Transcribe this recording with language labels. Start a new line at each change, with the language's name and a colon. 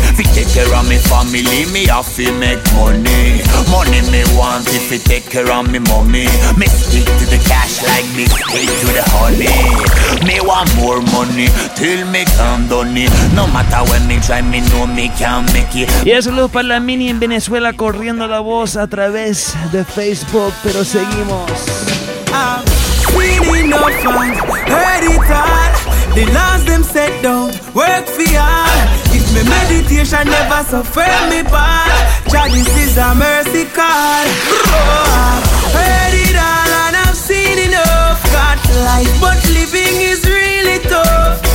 English: If you take care of me family me have to make money. Money me want if you take care of me mommy. Me stick to the cash like me stick to the honey. Me want more money till me can done it. No matter when me try me know me can make it.
Spanish: Y eso es para la mini en Venezuela corriendo la voz a través vez de Facebook, pero seguimos.
English: Winning up and heard it all. The laws them set down, work for y'all. If me meditation never suffer me bad, this is a mercy call. I've heard it all and I've seen enough. Got life, but living is really tough.